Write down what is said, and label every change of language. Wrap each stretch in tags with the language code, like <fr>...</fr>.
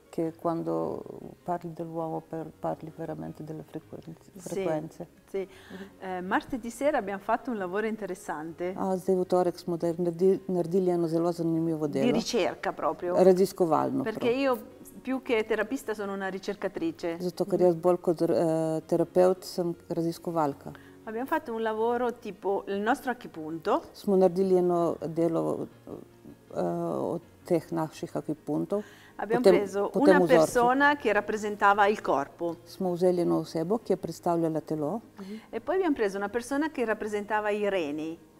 <it>Che quando parli dell'uomo parli veramente delle frequenze. Sì, sì. Martedì sera abbiamo fatto un lavoro interessante.</it> <sl>Ah, zdaj v torek smo naredili eno zelo zanimivo delo.</sl> <it>Di ricerca proprio.</it> <sl>Raziskovalno.</sl> <it>Perché io più che terapista sono una ricercatrice.</it> <sl>Zato ker jaz bolj kot terapeut sem raziskovalka.</sl> <it>Abbiamo fatto un lavoro tipo il nostro acupunto.</it> <sl>Smo naredili eno delo od teh naših acupuntov.</sl> <it>Abbiamo preso potem una persona che rappresentava il corpo.</it> <sl>Smo vzeli eno osebo, ki je predstavljala telo.</sl> <it>E poi abbiamo preso una persona che rappresentava i reni.</it>